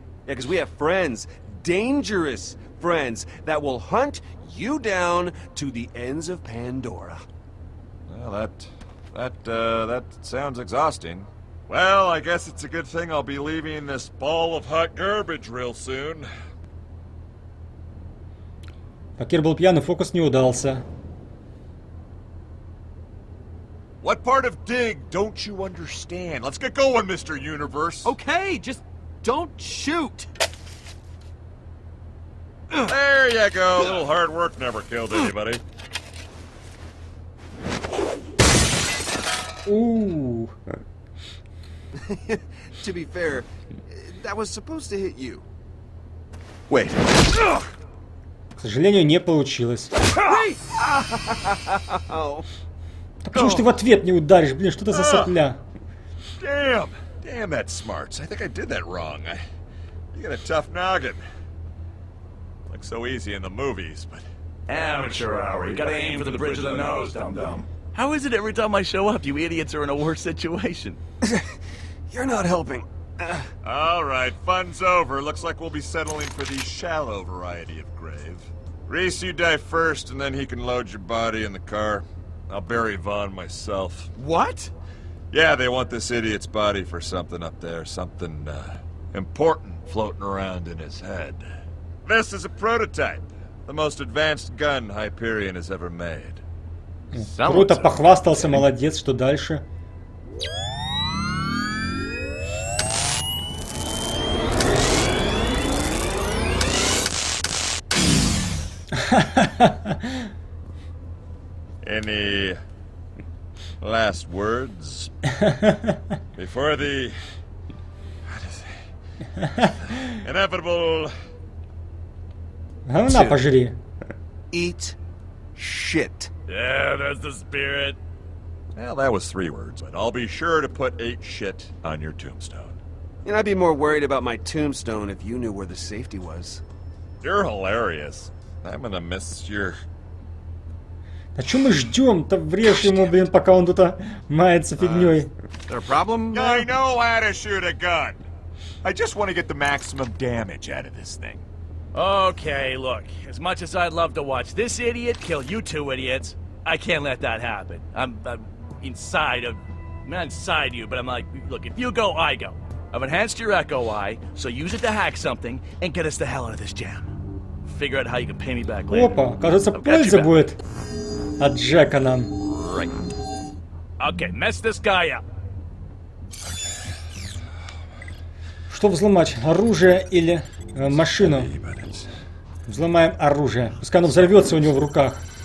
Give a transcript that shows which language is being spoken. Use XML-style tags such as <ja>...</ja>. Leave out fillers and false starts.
<en>Yeah, because we have friends, dangerous friends, that will hunt you down to the ends of Pandora. Well, that sounds exhausting. Well, I guess it's a good thing I'll be leaving this ball of hot garbage real soon.</en> <ru>Пакер был пьян, фокус не удался.</ru> <en>What part of dig don't you understand? Let's get going, Mr. Universe. Okay, just don't shoot. There you go. A little hard work never killed anybody. Ooh. To be fair, that was supposed to hit you. Wait.</en> <ru>К сожалению, не получилось. Да почему ж ты в ответ не ударишь? Блин, что это за сопля?</ru> <en>Damn, that's smart. I think I did that wrong. You got a tough noggin. Looks so easy in the movies, but... Amateur hour. You gotta aim for the bridge of the nose, dum-dum. How is it every time I show up, you idiots are in a worse situation? You're not helping. All right, fun's over. Looks like we'll be settling for the shallow variety of grave. Reese, you die first, and then he can load your body in the car. I'll bury Vaughn myself. What? Yeah, they want this idiot's body for something up there. Something, important floating around in his head. This is a prototype. The most advanced gun Hyperion has ever made.</en> <ru>Круто похвастался, молодец, что дальше?</ru> <en>Any last words before the inevitable?</en> <ru>Говна пожри.</ru> <en>Eat shit. Yeah, that's the spirit. Well, that was three words, but I'll be sure to put eight shit on your tombstone. And I'd be more worried about my tombstone if you knew where the safety was. You're hilarious. I'm gonna miss your...</en> <ru>А чё мы ждём-то? Врежь ему, блин, пока он тут-то мается фигнёй.</ru> <en>There a problem? Yeah, I know how to shoot a gun. I just want to get the maximum damage out of this thing. Okay, look, as much as I'd love to watch this idiot kill you two idiots, I can't let that happen. I'm not inside you, but I'm like, look, if you go, I go. I've enhanced your echo eye, so use it to hack something and get us the hell out of this jam. Figure out how you can pay me back later.</en> <ru>Опа, кажется, польза будет от Джека нам.</ru> <en>Right. Okay, mess this guy up.</en> <ru>Что взломать, оружие или машину? Взломаем оружие. Пускай оно взорвется у него в руках.</ru>